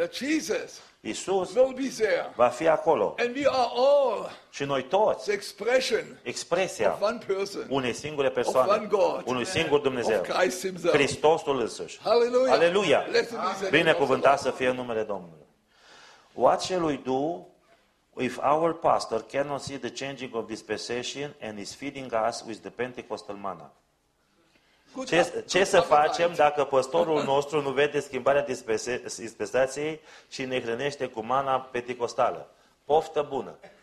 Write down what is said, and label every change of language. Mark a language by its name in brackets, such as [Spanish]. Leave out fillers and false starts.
[English] Jesus. [Romanian] Iisus [English] will be there. [Romanian] Va fi acolo. [English] And we are all. [Romanian] Și noi toți. [English] The expression. [Romanian] Expresia. [English] Of one person. [Romanian] Unei singure persoane. [English] Of one God. [Romanian] Unui singur Dumnezeu. [English] Of Christ himself. [Romanian] Hristosul însuși. [English] Hallelujah. [Romanian] Hallelujah. Binecuvântat să fie numele Domnului. [English] What shall we do if our pastor cannot see the changing of dispensation and is feeding us with the Pentecostal manna? [Romanian] Ce să facem dacă pastorul nostru nu vede schimbarea dispensației și ne hrănește cu mana pentecostală? Poftă bună!